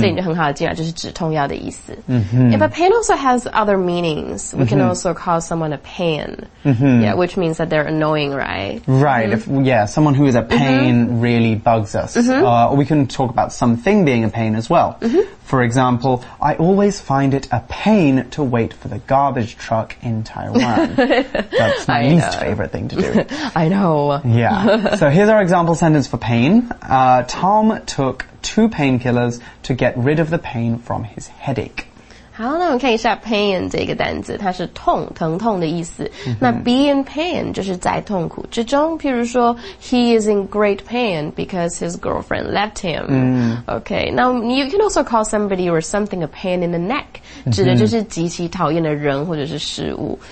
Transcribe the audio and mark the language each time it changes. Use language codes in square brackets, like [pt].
[zh] 所以你就很好记了就是止痛药的意思、 mm-hmm. [en] yeah, but pain also has other meanings we、mm-hmm. can also call someone a pain、 mm-hmm. yeah, which means that they're annoying right、 mm-hmm. if, yeah someone who is a pain、mm-hmm. really bugs us、 mm-hmm. We can talk about something being a pain as well、 mm-hmm. for example I always find it a pain to wait for the garbage truck in Taiwan that's my、 I、 least、 know. Favorite thing to do I know yeah so here's our example sentence forPain. Tom took two painkillers to get rid of the pain from his headache. [zh] 好，那我们看一下 pain 这个单字，它是痛，疼痛的意思。那 be in pain 就是在痛苦之中。譬如说 ， [en] he is in great pain because his girlfriend left him. Okay, now you can also call somebody or something a pain in the neck. [zh] 指的就是极其讨厌的人或者是事物。